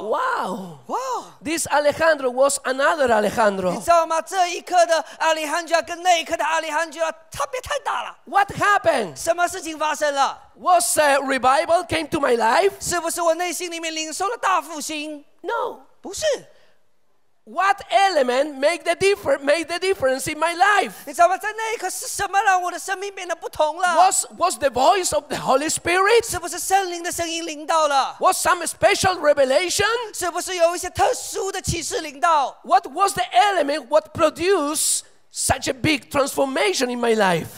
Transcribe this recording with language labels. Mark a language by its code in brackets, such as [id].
[en] Wow. This Alejandro was another Alejandro. [zh] 你知道吗？这一刻的 Alejandro 跟那一刻的 Alejandro 差别太大了。 [en] What happened? [zh] 什么事情发生了？ [en] Was a revival came to my life? [zh] 是不是我内心里面领受了大复兴？ [en] No, [zh] 不是。 [en] What element made the difference in my life? [zh] 你知道吗？在那一刻是什么让我的生命变得不同了？ [en] Was the voice of the Holy Spirit? [zh] 是不是圣灵的声音领导了？ [en] Was some special revelation? [zh] 是不是有一些特殊的启示领导？ [en] What was the element what produced? Such a big transformation in my life.